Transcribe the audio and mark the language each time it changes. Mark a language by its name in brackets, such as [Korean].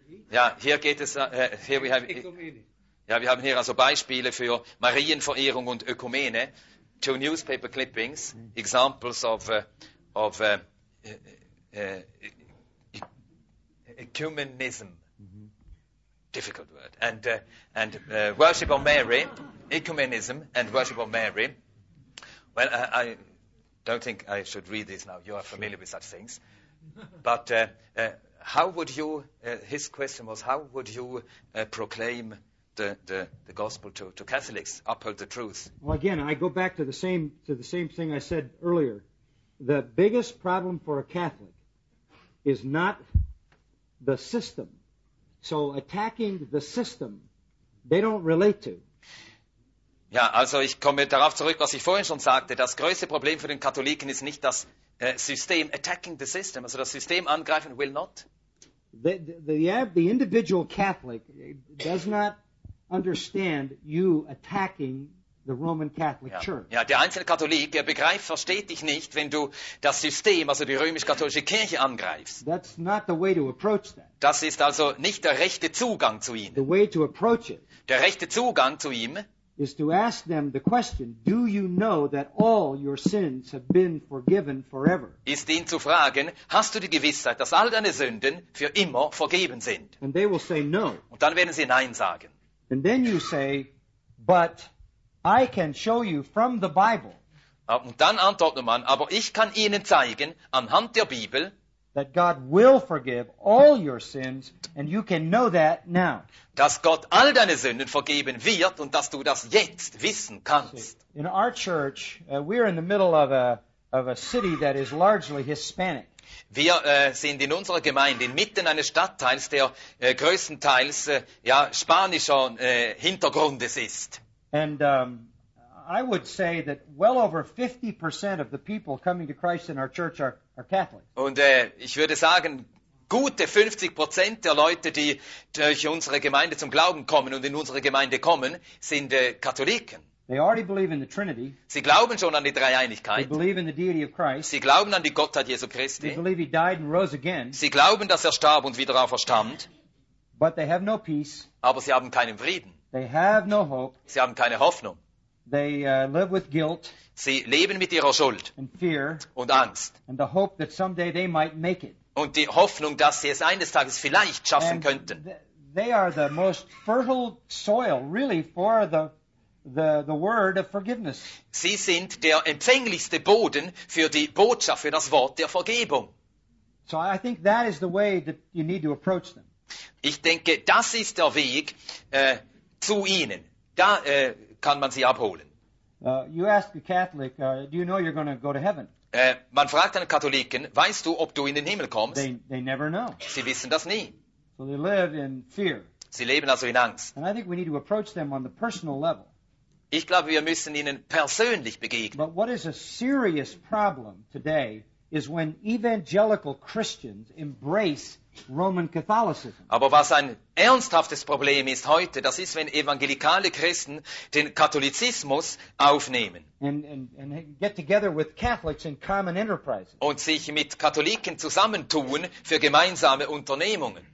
[German] Ja, hier geht es. Wir haben hier also Beispiele für Marienverehrung und Ökumene. [English] Two newspaper clippings, examples of ecumenism. Difficult word. And worship of Mary, ecumenism, and worship of Mary. Well, I don't think I should read this now. You are familiar with such things. But how would you, his question was, how would you proclaim the gospel to Catholics, uphold the truth? Well, again, I go back to the same thing I said earlier. The biggest problem for a Catholic is not the system. So attacking the system, they don't relate to. [German] Ja, also ich komme darauf zurück, was ich vorhin schon sagte. Das größte Problem für den Katholiken ist nicht das System. [English] Attacking the system, [German] also das System angreifen, [English] will not. The individual Catholic does not understand you attacking the Roman Catholic Church. [German] Ja, der einzelne Katholik, er begreift, versteht dich nicht, wenn du das System, also die römisch-katholische Kirche, angreifst. [English] That's not the way to approach that. [German] Das ist also nicht der rechte Zugang zu ihnen. [English] The way to approach it, [German] der rechte Zugang zu ihm, [English] is to ask them the question, do you know that all your sins have been forgiven forever? [German] Ist ihn zu fragen, hast du die Gewissheit, dass all deine Sünden für immer vergeben sind? [English] And they will say no. [German] Und dann werden sie Nein sagen. [English] And then you say, but I can show you from the Bible. [German] Und dann antwortet man, aber ich kann Ihnen zeigen, anhand der Bibel, [English] that God will forgive all your sins, and you can know that now. [German] Dass Gott all deine Sünden vergeben wird und dass du das jetzt wissen kannst. [English] In our church, we are in the middle of a city that is largely Hispanic. [German] Wir sind in unserer Gemeinde inmitten eines Stadtteils, der größtenteils spanischer Hintergrundes ist. [English] And I would say that well over 50% of the people coming to Christ in our church are Catholic. [German] Und ich würde sagen, gute 50% der Leute, die durch unsere Gemeinde zum Glauben kommen und in unsere Gemeinde kommen, sind Katholiken. [English] They already believe in the Trinity. [German] Sie glauben schon an die Dreieinigkeit. [English] They believe in the deity of Christ. [German] Sie glauben an die Gottheit Jesu Christi. [English] They believe he died and rose again. [German] Sie glauben, dass starb und wieder auferstand. [English] But they have no peace. [German] Aber sie haben keinen Frieden. [English] They have no hope. [German] Sie haben keine Hoffnung. [English] They live with guilt. [German] Sie leben mit ihrer Schuld. [English] And fear. [German] Und Angst. [English] And the hope that someday they might make it. [German] Und die Hoffnung, dass sie es eines Tages vielleicht schaffen könnten. [English] They are the most fertile soil, really, for the word of forgiveness. [German] Sie sind der empfänglichste Boden für die Botschaft, für das Wort der Vergebung. [English] So I think that is the way that you need to approach them. [German] Ich denke, das ist der Weg zu ihnen. Da kann man sie abholen. [English] You ask a Catholic, do you know you're going to go to heaven? [German] Man fragt einen Katholiken, weißt du, ob du in den Himmel kommst? [English] They never know. [German] Sie wissen das nie. [English] So they live in fear. [German] Sie leben also in Angst. [English] And I think we need to approach them on the personal level. [German] Ich glaube, wir müssen ihnen persönlich begegnen. [English] But what is a serious problem today is when evangelical Christians embrace Roman Catholicism. [German] Aber was ein ernsthaftes Problem ist heute, das ist, wenn evangelikale Christen den Katholizismus aufnehmen. [English] And get together with Catholics in common enterprises. [German] Und sich mit Katholiken zusammentun für gemeinsame Unternehmungen.